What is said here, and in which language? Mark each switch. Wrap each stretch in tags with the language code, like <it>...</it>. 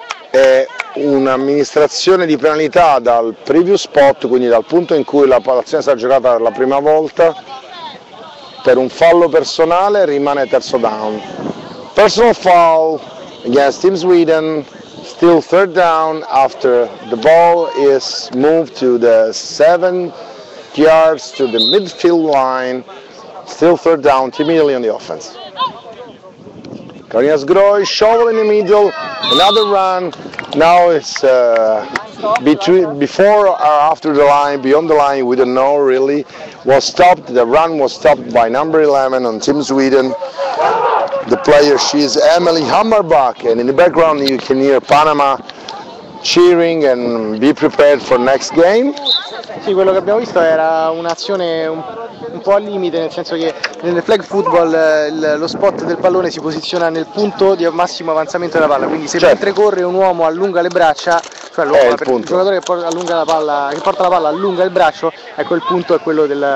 <it>È un'amministrazione di penalità dal previous spot, quindi dal punto in cui la palazzina si è giocata per la prima volta, per un fallo personale. Rimane terzo down,</it> <en>personal foul against Team Sweden, still third down after the ball is moved to the 7 yards to the midfield line, still third down, 2 million on the offense. Carolina Sgroi, shovel in the middle, another run. Now it's before or after the line, beyond the line, we don't know really. Was stopped, the run was stopped by number 11 on Team Sweden. The player, she is Emily Hammerbach, and in the background you can hear Panama cheering and be prepared for next game.</en> <it>Sì, quello che abbiamo visto era un'azione un po' al limite, nel senso che nel flag football lo spot del pallone si posiziona nel punto di massimo avanzamento della palla, quindi se certo. Mentre corre un uomo allunga le braccia, cioè l'uomo, il giocatore che porta la palla allunga il braccio, ecco il punto è quello del...</it>